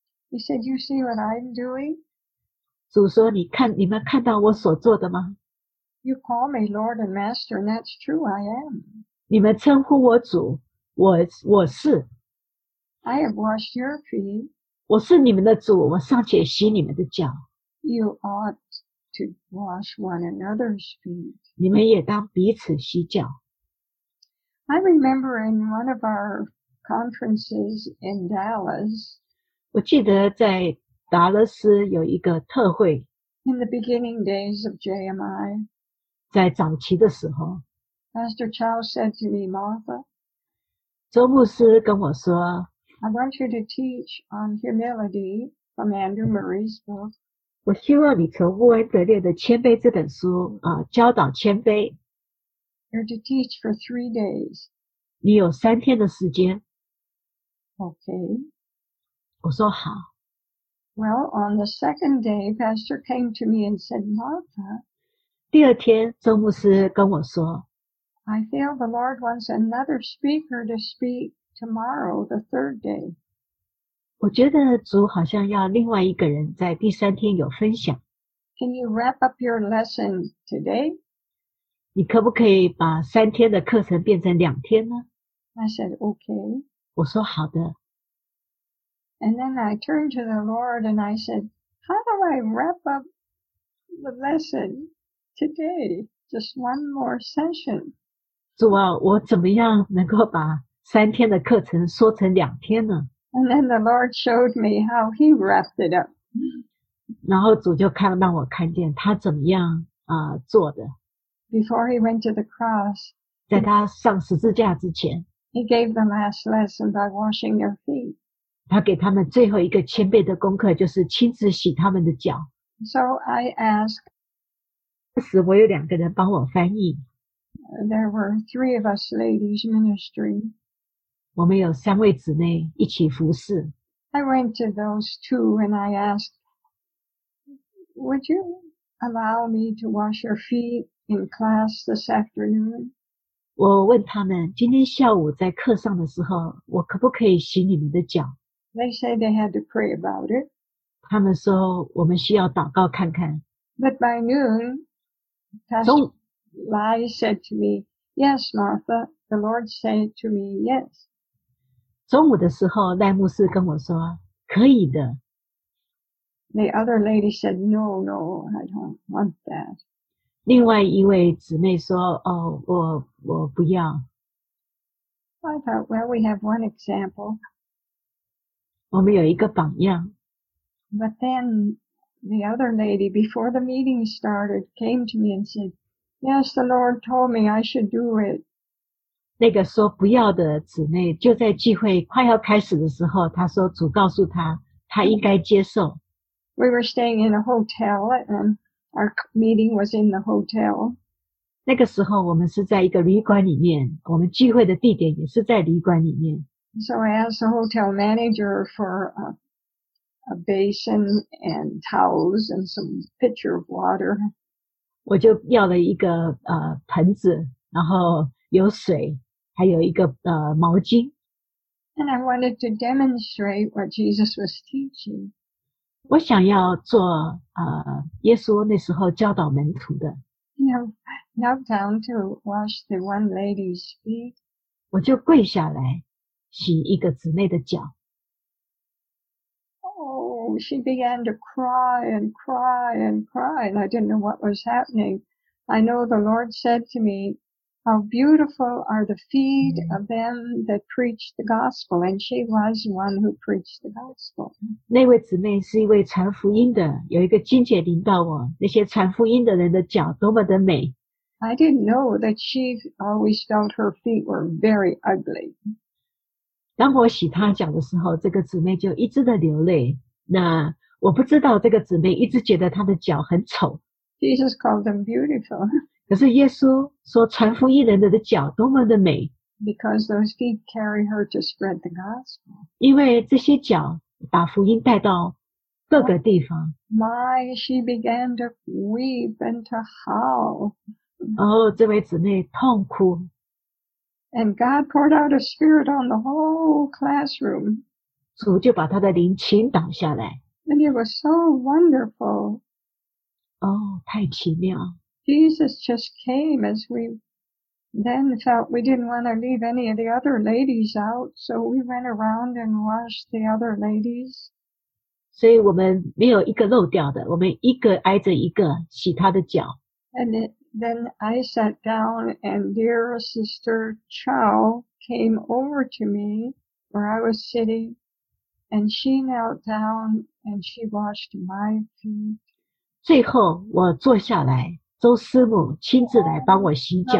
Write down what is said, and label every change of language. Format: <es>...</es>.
<en>He said, "You see what I'm doing?"</en> <zh>主说你看你们看到我所做的吗</zh> <en>You call me Lord and Master, and that's true, I am.</en> <zh>你们称呼我主我是。</zh> <en>I have washed your feet.</en> <zh>我是你们的主我尚且洗你们的脚。</zh> <en>You ought to wash one another's feet.</en> <zh>你们也当彼此洗脚。</zh> <en>I remember in one of our conferences in Dallas,</en> <zh>我记得在达勒斯有一个特会。</zh> <en>In the beginning days of JMI,</en> <zh>在早期的时候</zh> <en>，Pastor Chow said to me, Martha,</en> <zh>周牧师跟我说</zh> <en>，I want you to teach on humility from Andrew Murray's book.</en> <zh>我希望你从沃恩德烈的《谦卑》这本书啊，教导谦卑。</zh> <en>You're to teach for 3 days.</en> <zh>你有三天的时间。</zh> <en>Okay.</en> <zh>我说好。</zh> <en>Well, on the second day, Pastor came to me and said, Martha,</en> <zh>第二天周牧师跟我说</zh> <en>I feel the Lord wants another speaker to speak tomorrow, the third day.</en> <zh>我觉得主好像要另外一个人在第三天有分享。</zh> <en>Can you wrap up your lesson today?</en> <zh>你可不可以把三天的课程变成两天呢</zh> <en>I said, okay.</en> <zh>我说好的。</zh> <en>And then I turned to the Lord and I said, how do I wrap up the lesson today? Just one more session.</en> <zh>主啊，我怎么样能够把三天的课程说成两天呢？</zh> <en>And then the Lord showed me how he wrapped it up.</en> <zh>然后主就看让我看见他怎么样做的。</zh> <en>Before he went to the cross,</en> <zh>在他上十字架之前</zh> <en>he gave the last lesson by washing their feet.</en> <zh>他给他们最后一个谦卑的功课就是亲自洗他们的脚。</zh> <en>So I asked,</en> <zh>那时我有两个人帮我翻译。</zh> <en>There were three of us ladies ministering.</en> <zh>我们有三位姊妹一起服侍。</zh> <en>I went to those two and I asked, would you allow me to wash your feet in class this afternoon?</en> <zh>我问他们今天下午在课上的时候我可不可以洗你们的脚。</zh> <en>They say they had to pray about it.</en> <zh>他们说我们需要祷告看看。</zh> <en>But by noon, Pastor Lai said to me, Yes, Martha, the Lord said to me, yes.</en> <zh>中午的时候赖牧师跟我说可以的。</zh> <en>The other lady said, no, no, I don't want that.</en> <zh>另外一位姊妹说哦我不要。</zh> <en>I thought, well, we have one example.</en> <zh>我们有一个榜样。</zh> <en>But then The other lady, before the meeting started, came to me and said, Yes, the Lord told me I should do it.</en> <zh>那个说不要的姊妹就在聚会快要开始的时候她说主告诉她她应该接受。</zh> <en>We were staying in a hotel and our meeting was in the hotel.</en> <zh>那个时候我们是在一个旅馆里面我们聚会的地点也是在旅馆里面。</zh> <en>So I asked the hotel manager for a basin and towels and some pitcher of water.</en> <zh>我就要了一个盆子然后有水还有一个毛巾。</zh> <en>And I wanted to demonstrate what Jesus was teaching.</en> <zh>我想要做耶稣那时候教导门徒的。</zh> <en>And I knelt down to wash the one lady's feet.</en> <zh>我就跪下来洗一个姊妹的脚。</zh> <en>Oh, she began to cry and cry and cry, and I didn't know what was happening. I know the Lord said to me,How beautiful are the feet of them that preach the gospel. And she was one who preached the gospel.</en> <zh>那位姊妹是一位传福音的有一个经节临到我那些传福音的人的脚多么的美。</zh> <en>I didn't know that she always felt her feet were very ugly.</en> <zh>当我洗她脚的时候这个姊妹就一直的流泪。那我不知道这个姊妹一直觉得她的脚很丑。</zh> <en>Jesus called them beautiful.</en> <zh>可是耶稣说传福音人的脚多么的美。</zh> <en>Because those feet carry her to spread the gospel.</en> <zh>因为这些脚把福音带到各个地方。</zh> <en>My, she began to weep and to howl.</en> <zh>这位姊妹痛哭。</zh> <en>And God poured out a spirit on the whole classroom.</en> <zh>主就把他的灵倾倒下来。</zh> <en>And it was so wonderful.</en> <zh>太奇妙。</zh> <en>Jesus just came as we then felt we didn't want to leave any of the other ladies out, so we went around and washed the other ladies.</en> <zh>所以我们没有一个漏掉的，我们一个挨着一个洗她的脚。</zh> <en>And then I sat down and dear sister Chow came over to me where I was sitting, and she knelt down and she washed my feet.</en> <zh>最后我坐下来周师母亲自来帮我洗脚。</zh>